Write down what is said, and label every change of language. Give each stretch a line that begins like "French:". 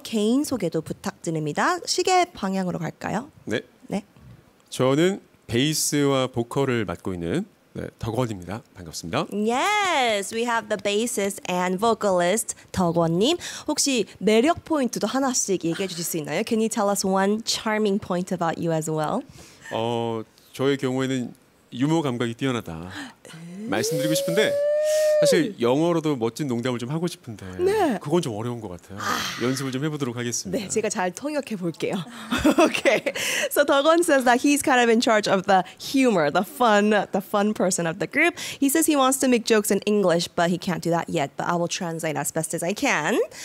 Korean: 개인 소개도 부탁드립니다. 시계 방향으로 갈까요? 네. 네. 저는 베이스와 보컬을 맡고 있는 덕원입니다. 반갑습니다.
English: Yes, we have the bassist and vocalist 덕원님.
Korean: 혹시 매력 포인트도 하나씩 얘기해 주실 수 있나요?
English: Can you tell us one charming point about you as well?
Korean: 저의 경우에는 유머 감각이 뛰어나다 말씀드리고 싶은데 사실 영어로도 멋진 농담을 좀 하고 싶은데 네. 그건 좀 어려운 것 같아요. 연습을 좀 해보도록 하겠습니다. 네, 제가 잘 통역해 볼게요.
English: Okay, so 덕원 says that he's kind of in charge of the humor, the fun person of the group. He says he wants to make jokes in English, but he can't do that yet. But I will translate as best as I can.